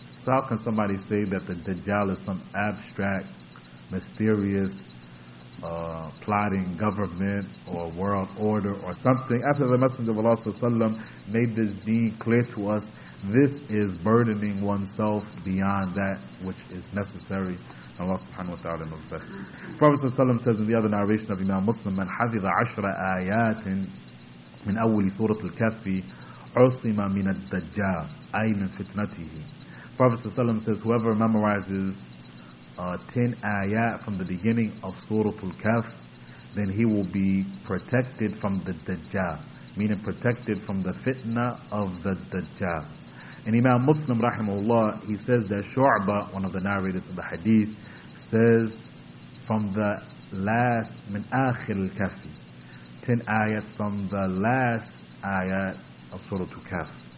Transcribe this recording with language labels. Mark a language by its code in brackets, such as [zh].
[en] So how can somebody say that the Dajjal is some abstract, mysterious, plotting government or world order or something? After the Messenger of Allah ﷺ made this deen clear to us, this is burdening oneself beyond that which is necessary. Allah subhanahu wa ta'ala knows best. Prophet ﷺ says in the other narration of Imam Muslim, [ar] من حفظ عشر آيات من أول سورة الكهف عصم من الدجال أي من فتنته. [en] Prophet ﷺ says, whoever memorizes 10 ayat from the beginning of Suratul Kahf, then he will be protected from the Dajjal, meaning protected from the fitna of the Dajjal. And Imam Muslim rahimahullah, he says that Shu'ba, one of the narrators of the hadith, says from the last, min akhir al-kafi, 10 ayat from the last ayat of Suratul Kahf.